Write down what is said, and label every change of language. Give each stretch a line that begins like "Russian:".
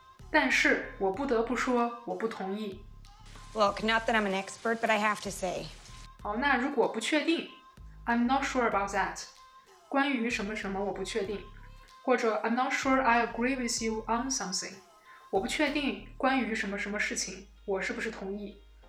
Chinese: 但是我不得不说我不同意。
English: Look, not that I'm an expert, but I have to say.
Chinese: 好，那如果不确定
English: I'm not sure about that.
Chinese: 关于什么什么我不确定。
English: 或者 I'm not sure I agree with you on something.
Chinese: 我不确定关于什么什么事情我是不是同意。